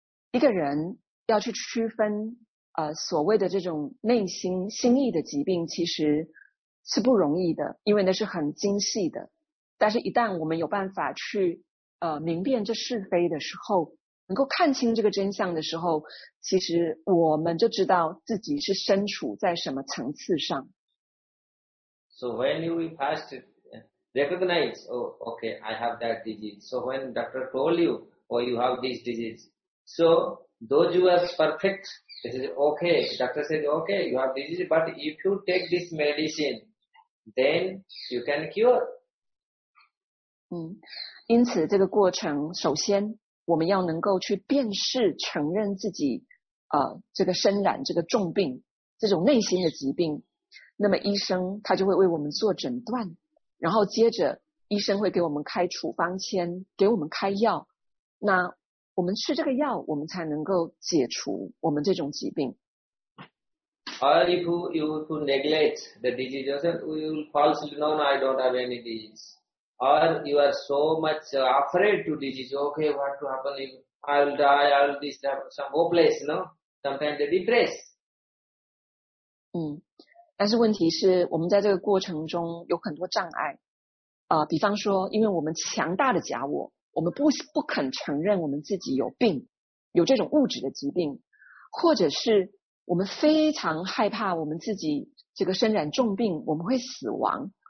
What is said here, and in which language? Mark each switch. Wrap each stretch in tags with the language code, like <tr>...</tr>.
<zh>一个人要去区分所谓的这种内心心意的疾病其实是不容易的，因为那是很精细的。但是一旦我们有办法去明辨这是非的时候，能够看清这个真相的时候，其实我们就知道自己是身处在什么层次上。</zh> <en>So when you first recognize, oh, okay, I have that disease. So when doctor told you, oh, you have this disease. So those who are perfect, this is okay. Doctor said, okay, you have disease, but if you take this medicine, then you can cure.</en> <zh>因此这个过程首先我们要能够去辨识承认自己这个身染这个重病这种内心的疾病，那么医生他就会为我们做诊断，然后接着医生会给我们开处方签，给我们开药，那我们吃这个药我们才能够解除我们这种疾病。</zh> <en>Or if you neglect the disease, you will falsely know, I don't have any disease. Or you are so much afraid to disease, okay, what to happen, I will die, I will this, some hopeless, no? Sometimes they depress.</en> <zh>但是问题是我们在这个过程中有很多障碍。比方说因为我们强大的假我，我们不肯承认我们自己有病，有这种物质的疾病，或者是我们非常害怕我们自己这个身染重病，我们会死亡。</zh>